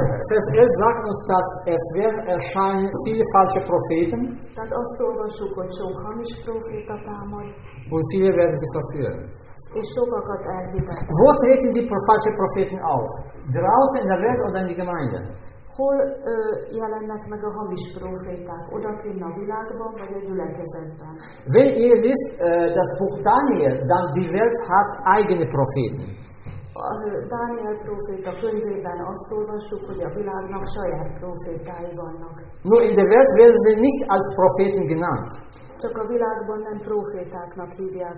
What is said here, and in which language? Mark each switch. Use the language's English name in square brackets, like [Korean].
[German] Vers 11 sagt uns, dass es werden erscheinen viele falsche Propheten. [Hungarian] Tehát azt olvassuk, hogy sok hamis próféta támad. [German] Und viele werden sich verführen. [Hungarian] És sokakat elhitetnek. [German] Wo treten die falsche Propheten auf? Draußen in der Welt oder in die Gemeinde? [Hungarian] Hol jelennek meg a hamis proféták? Odakint a világban, vagy a gyülekezetben? [German] Wenn ihr wisst, das Buch Daniel, dann die Welt hat eigene Propheten. [Hungarian] Daniel proféta könyvében azt olvassuk, hogy a világnak saját profétái vannak. [German] Nur in der Welt werden sie nicht als Propheten genannt. [Hungarian] Csak a világban nem profétáknak hívják